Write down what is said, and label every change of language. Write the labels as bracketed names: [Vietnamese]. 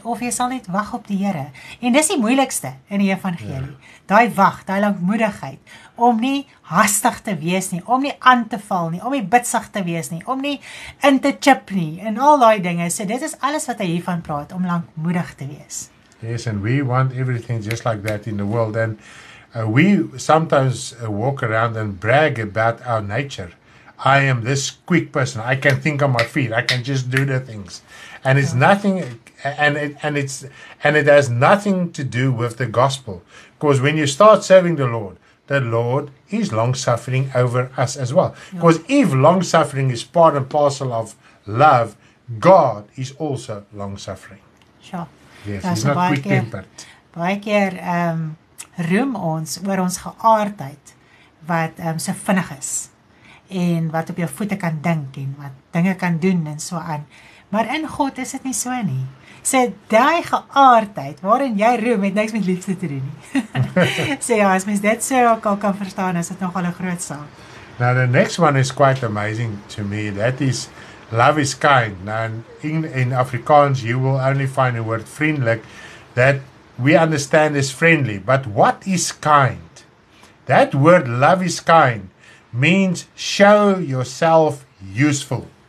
[Afrikaans] Of jy sal net wag op die Here. En dis die moeilikste in die evangelie. Ja. Daai wag, daai lankmoedigheid, om nie hastig te wees nie, om nie aan te val nie, om nie bitsig te wees nie, om nie in te chip nie, en al daai dinge. So dit is alles wat hy hiervan praat, om lankmoedig te wees. [English] Yes, and we want everything just like that in the world. And we sometimes walk around and brag about our nature. I am this quick person. I can think on my feet. I can just do the things. And it's nothing, and it has nothing to do with the gospel. Because when you start serving the Lord is long-suffering over us as well. Because if long-suffering is part and parcel of love, God is also long-suffering. Sure. Yes, he's not quick-tempered. [Afrikaans] Baie keer roem ons oor ons geaardheid wat so vinnig is en wat op jou voete kan dink en wat dinge kan doen en so aan. Maar in God is dit nie so nie. So die geaardheid waarin jy roem het niks met liefde te doen nie. So ja, as mens dit so ook al kan verstaan, is dit nogal 'n groot saak. [English] Now the next one is quite amazing to me. That is, love is kind. Now in Afrikaans, you will only find the word vriendelik that we understand is friendly. But what is kind? That word love is kind means show yourself useful.